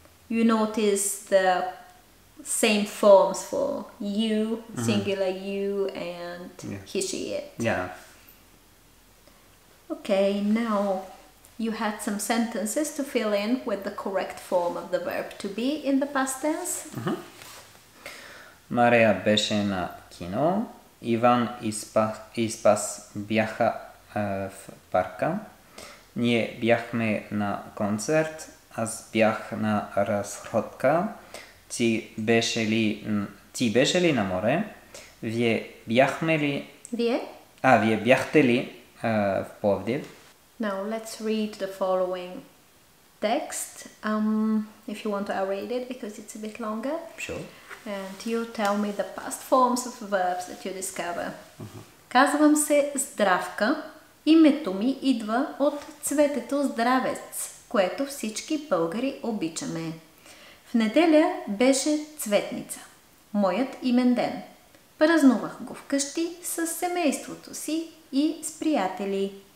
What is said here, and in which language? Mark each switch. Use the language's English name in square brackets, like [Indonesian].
[English] You notice the same forms for you, singular you, and he, she, it. Yeah. Okay, now you had some sentences to fill in with the correct form of the verb to be in the past tense. [Bulgarian] Мария беше на кино, Иван и Спас бяха в парка, ние бяхме на концерт, аз бях на разходка, ти беше ли на море, вие бяхме ли... Вие? Вие бяхте ли... в Пловдив. [English] Now let's read the following text. If you want to, I'll read it because it's a bit longer. Sure. And you tell me the past forms of verbs that you discover. [Bulgarian] Казвам се Здравка. Името ми идва от цветето здравец, което всички българи обичаме. В неделя беше цветница. Моят имен ден. Празнувах го вкъщи с семейството си и с приятели.